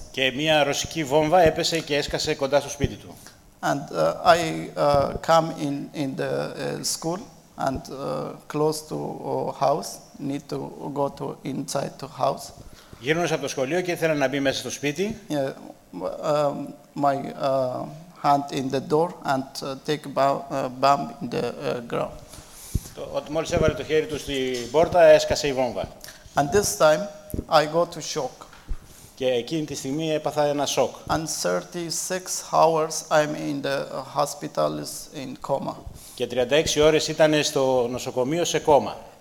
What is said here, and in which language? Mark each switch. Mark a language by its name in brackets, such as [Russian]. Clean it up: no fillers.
[Greek] Και μια ρωσική βόμβα έπεσε και έσκασε κοντά στο σπίτι του. [English] And I come in the school and close to house, need to go to inside the house. [Greek] Γύρνωσα από το σχολείο και ήθελα να μπει μέσα στο σπίτι. [English] Yeah, my hand in the door and take bomb in the ground. [Greek] Ότι μόλις έβαλε το χέρι του στην πόρτα, έσκασε η βόμβα. [English] And this time, I go to shock. [Greek] Και εκείνη τη στιγμή έπαθα ένα σοκ. [English] And 36 hours I'm in the hospital in coma. [Greek] Και 36 ώρες ήταν στο νοσοκομείο σε κόμα.